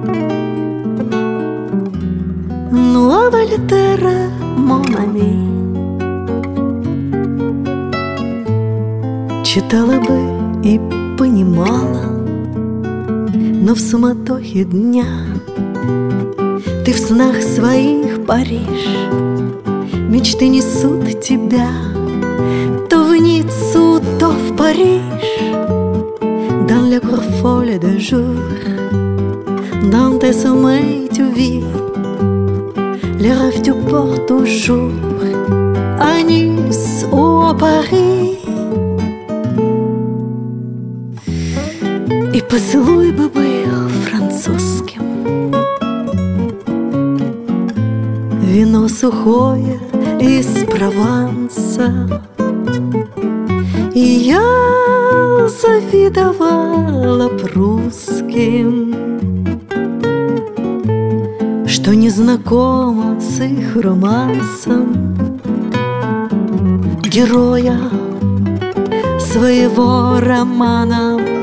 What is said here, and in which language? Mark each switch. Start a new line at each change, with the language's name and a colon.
Russian: Ну а Вольтера, Монами, читала бы и понимала. Но в суматохе дня ты в снах своих паришь, мечты несут тебя то в Ниццу, то в Париж.
French: Dans le cours folle de jour, dans tes sommeils tu vis, les rêves tu portes toujours à Nice ou à Paris.
Russian: И поцелуй бы был французским, вино сухое из Прованса, и я завидовала б русским, что не знакома с их романсом героя своего романа.